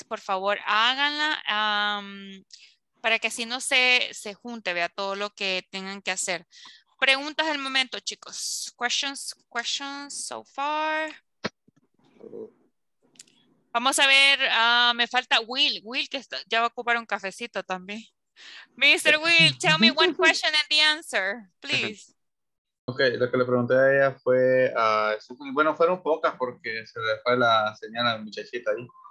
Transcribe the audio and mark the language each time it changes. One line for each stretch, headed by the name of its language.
Spanish: Por favor, háganla para que así no se junte, vea todo lo que tengan que hacer. Preguntas del momento, chicos.
English: Questions so far.
Spanish: Vamos a ver, me falta Will, que está, ya va a ocupar un cafecito también.
English: Mr. Will, tell me one question and the answer, please.
Spanish: Ok, lo que le pregunté a ella fue, bueno, fueron pocas porque se le fue la señal a la muchachita ahí.